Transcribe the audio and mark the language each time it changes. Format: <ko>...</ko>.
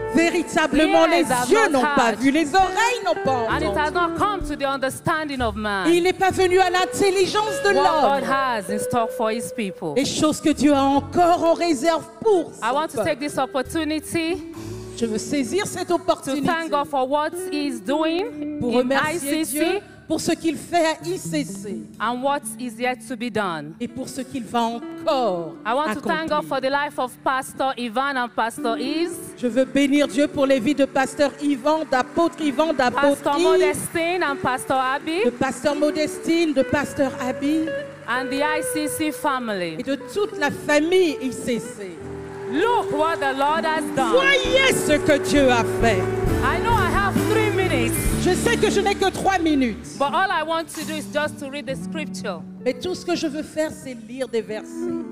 <fr>Véritablement, les yeux n'ont pas vu, les oreilles n'ont pas entendu.</fr> <en>And it has not come to the understanding of man.</en> <fr>Il n'est pas venu à l'intelligence de l'homme.</fr> <en>What God has in store for his people.</en> <fr>Les choses que Dieu a encore en réserve pour son peuple.</fr> <en>I want to take this opportunity.</en> <fr>Je veux saisir cette opportunité.</fr> <en>To thank God for what he's doing.</en> <fr>Pour remercier</fr> <en>ICC.</en> <fr>Dieu. Pour ce qu'il fait à ICC.</fr> <en>And what is yet to be done.</en> <fr>Et pour ce qu'il va encore accomplir.</fr> <en>I want</en> <fr>accomplir.</fr> <en>To thank God for the life of Pastor Ivan and Pastor Is.</en> <fr>Je veux bénir Dieu pour les vies de Pasteur Ivan, d'Apôtre Ivan, d'Apôtre</fr> <en>Pastor Is. Pastor Modestine and Pastor Abby.</en> <fr>De Pasteur Modestine, de Pasteur Abby.</fr> <en>And the ICC family.</en> <fr>Et de toute la famille ICC.</fr> <en>Look what the Lord has done.</en> <fr>Voyez ce que Dieu a fait.</fr> <en>I know I have 3 minutes.</en> <fr>Je sais que je n'ai que 3 minutes.</fr> <en>But all I want to do is just to read the scripture.</en> <fr>Mais tout ce que je veux faire, c'est lire des versets.</fr>